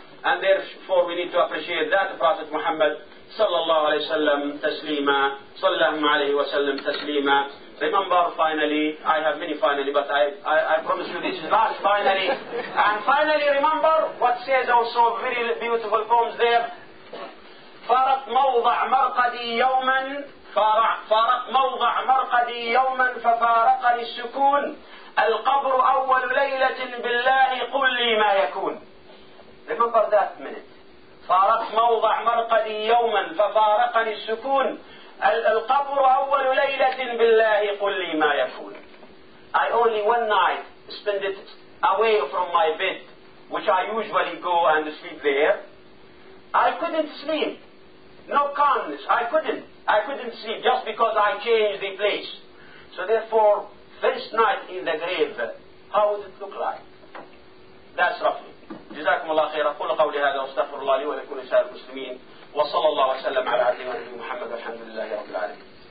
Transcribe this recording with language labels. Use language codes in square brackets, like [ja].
[en] And therefore we need to appreciate that Prophet Muhammad sallallahu alayhi wa sallam taslima, sallallahu alayhi wa sallam taslima. Remember, finally, I have many finally, but I promise you this is not finally. And finally, remember what says also very beautiful poems there. [ar] فارق موضع مرقدي يوما فارق موضع مرقدي يوما ففارقني السكون القبر أول ليلة بالله قل لي ما يكون. [en] Remember that minute. [ar] فارق موضع مرقدي يوما ففارقني السكون القبر أول ليلة بالله قل لي ما يكون. [en] I only one night spend it away from my bed, which I usually go and sleep there. I couldn't sleep. No calmness. I couldn't sleep just because I changed the place. So therefore, first night in the grave, how would it look like? That's roughly. [ar] جزاكم الله خير. أقول قولي هذا واستغفر الله لي ولكل سائر المسلمين. وصلى الله وسلم على عبده ونبيه محمد والحمد لله رب العالمين.